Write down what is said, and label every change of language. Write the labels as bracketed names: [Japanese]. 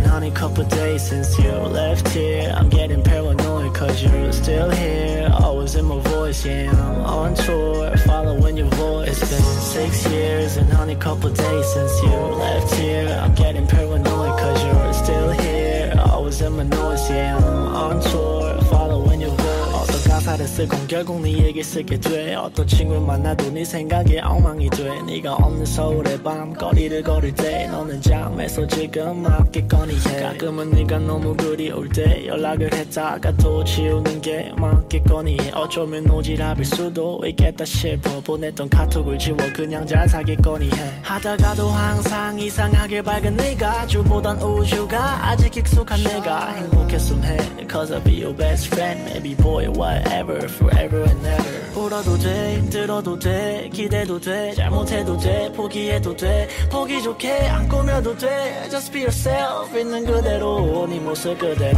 [English] Couple days since you left here, I'm getting paranoid cause you're still here. Always in my voice, yeah, I'm on tour, following your voice. It's been 6 years and only couple days since you left here. I'm getting paranoid cause you're still here. Always in my noise, yeah, I'm on tour, following your voice. [Korean] 어떤 가사를 쓰고 결국 네에게 쓰게 돼. 어떤 친구 만나도 네 생각에 엉망이 돼. 네가 없는 서울의 밤 거리를 걸을 때 너는 잠에서 지금 막 깨거니 해. 가끔은 네가 너무 그리울 때 연락을 했다가 또 지우는 게 막 깨거니 해. 어쩌면 오지랖일 수도 있겠다 싶어 보냈던 카톡을 지워 그냥 잘 살겠거니 해. 하다가도 항상 이상하게 밝은 네가 주보단 우주가 아직 익숙한 내가 행복했음 해. [English] Cause I'll be your best friend, maybe boy. Whatever, forever and ever. [Korean] 울어도 돼, 들어도 돼, 기대도 돼, 잘못해도 돼, 포기해도 돼, 보기 좋게 안 꾸며도 돼. [English] Just be yourself, [Korean] 있는 그대로, 네 모습 그대로.